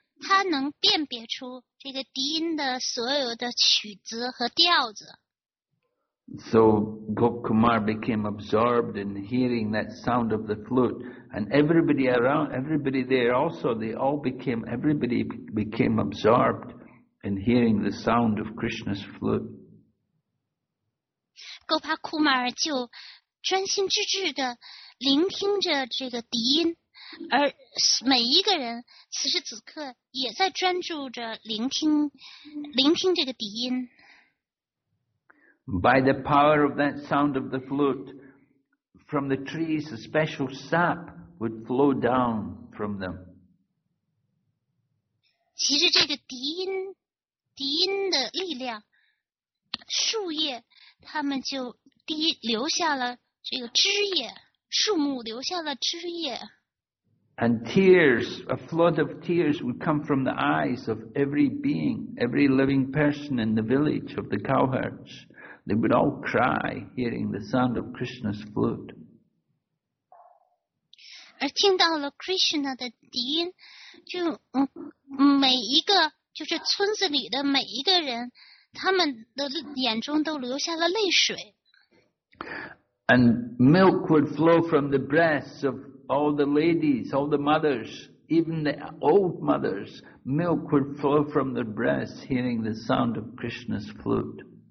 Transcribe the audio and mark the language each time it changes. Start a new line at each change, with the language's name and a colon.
Chinese: 他能辨别出这个笛音的所有的曲子和调子。
English: So Gopal Kumar became absorbed in hearing that sound of the flute, and everybody around, everybody there also, they all became, everybody became absorbed in hearing the sound of Krishna's flute.
Chinese: Gopal Kumar 就专心致志地聆听着这个笛音。而每一个人此时此刻也在专注着聆听这个笛音。
English: By the power of that sound of the flute, from the trees a special sap would flow down from them.
Chinese: 其实这个笛音的力量，树叶它们就滴留下了这个枝叶，树木留下了枝叶。
English: And tears, a flood of tears would come from the eyes of every being, every living person in the village of the cowherds. They would all cry hearing the sound of Krishna's flute.
Chinese: 而听到了 Krishna 的笛音，就每一个，就是村子里的每一个人，他们的眼中都流下了泪水。
English: And milk would flow from the breasts of all the ladies, all the mothers, even the old mothers, milk would flow from their breasts hearing the sound of Krishna's flute.